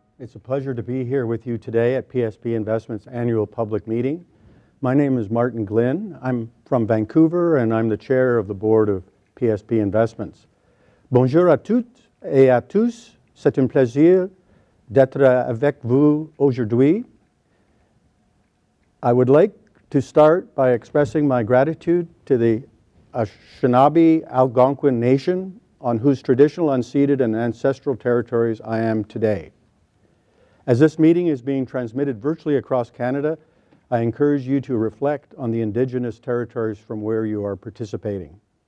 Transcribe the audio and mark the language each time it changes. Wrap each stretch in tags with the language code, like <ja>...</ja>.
<en>It's a pleasure to be here with you today at PSP Investments' annual public meeting. My name is Martin Glynn. I'm from Vancouver, and I'm the Chair of the Board of PSP Investments.</en> <fr>Bonjour à toutes et à tous. C'est un plaisir d'être avec vous aujourd'hui.</fr> <en>I would like to start by expressing my gratitude to the Anishinaabe Algonquin Nation, on whose traditional, unceded, and ancestral territories I am today. As this meeting is being transmitted virtually across Canada, I encourage you to reflect on the Indigenous territories from where you are participating.</en>